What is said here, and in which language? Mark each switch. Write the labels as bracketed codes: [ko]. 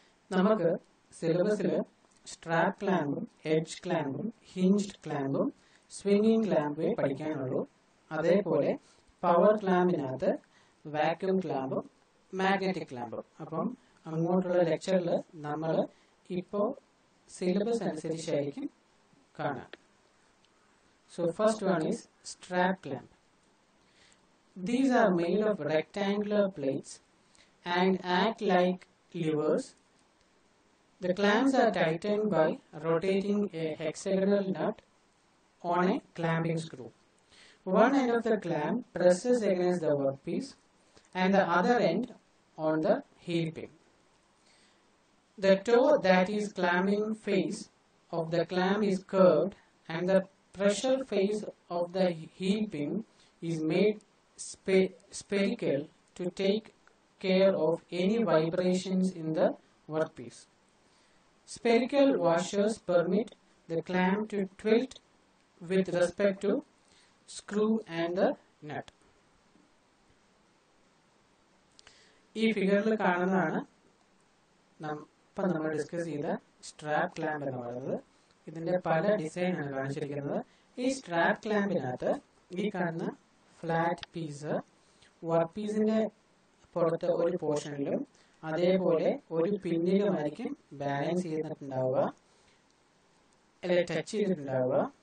[ml] നമുക്ക് സിലബസിൽ strap ക്ലാമ്പും edge ക്ലാമ്പും hinged ക്ലാമ്പും swinging ക്ലാമ്പേ പഠിക്കാനുള്ളൂ. അതേപോലെ പവർ ക്ലാമ്പിനകത്ത് വാക്യൂം ക്ലാമ്പും മാഗ്നറ്റിക് ക്ലാമ്പും. അപ്പം അങ്ങോട്ടുള്ള ലെക്ചറിൽ നമ്മൾ ഇപ്പോൾ സിലബസ് അനുസരിച്ചായിരിക്കും കാണാം. [en] So first one is strap clamp. These are made of rectangular plates and act like levers. The clamps are tightened by rotating a hexagonal nut on a clamping screw. One end of the clamp presses against the workpiece and the other end on the heel pin. The toe that is clamping face of the clam is curved, and the pressure face of the heel pin is made spherical to take care of any vibrations in the workpiece. Spherical washers permit the clam to tilt with respect to screw and the nut. [ml] ഈ ഫിഗറിൽ കാണുന്നതാണ് ഇപ്പം നമ്മൾ discuss ചെയ്ത strap clamp എന്ന് പറയുന്നത്. ഇതിൻ്റെ പല ഡിസൈനാണ് കാണിച്ചിരിക്കുന്നത്. ഈ സ്ട്രാപ്പ് ക്ലാമ്പിനകത്ത് ഈ കാണുന്ന ഫ്ലാറ്റ് പീസ് വർക്ക് പീസിൻ്റെ പുറത്ത് ഒരു പോർഷനിലും അതേപോലെ ഒരു പിന്നിലുമായിരിക്കും ബാലൻസ് ചെയ്തിട്ടുണ്ടാവുക, അല്ലെങ്കിൽ ടച്ച് ചെയ്തിട്ടുണ്ടാവുക.